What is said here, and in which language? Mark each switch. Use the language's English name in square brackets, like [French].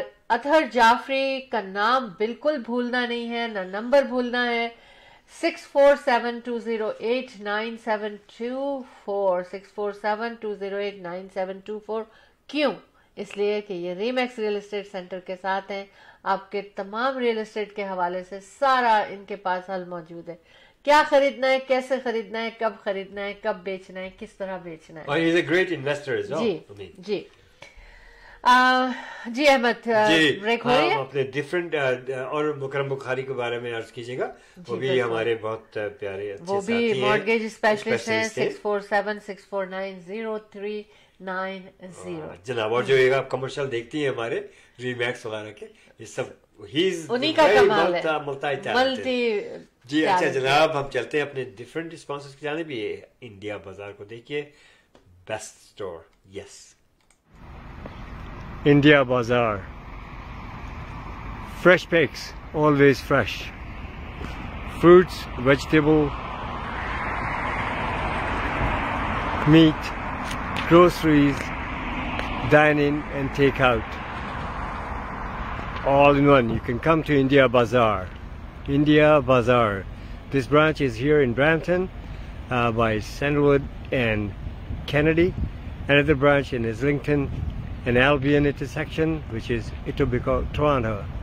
[Hindi] अथर जाफरी का नाम बिल्कुल भूलना नहीं है, ना नंबर भूलना है, 6472089724. क्यों? इसलिए कि ये रीमैक्स रियल एस्टेट सेंटर के साथ हैं, आपके तमाम रियल एस्टेट के हवाले से सारा इनके पास हल मौजूद है. क्या खरीदना है, कैसे खरीदना है, कब खरीदना है, कब बेचना है, किस तरह बेचना है. [English] He's a great investor as well. [Hindi] Ji Ahmad break हो रही है. अपने डिफरेंट और मुकरम बुखारी के बारे में अर्ज कीजिएगा, वो भी हमारे बहुत प्यारे अच्छे साथी हैं, वो भी मॉर्गेज स्पेशलिस्ट हैं. 6476490 90 जनाब, और जो ये आप कमर्शियल देखती हैं हमारे रीमैक्स वगैरह के, ये सब ही इज उन्हीं का कमाल है, मल्टी टैलेंटेड जी। अच्छा जनाब, हम चलते हैं अपने डिफरेंट स्पॉन्सर्स की जाने भी। इंडिया बाजार को देखिए, [English] Best store, yes India Bazaar, fresh picks, always fresh fruits, vegetable, meat, groceries, dine-in and take-out, all in one. You can come to India Bazaar. India Bazaar, this branch is here in Brampton by Sandalwood and Kennedy. Another branch in Islington and Albion intersection, which is Etobicoke, Toronto.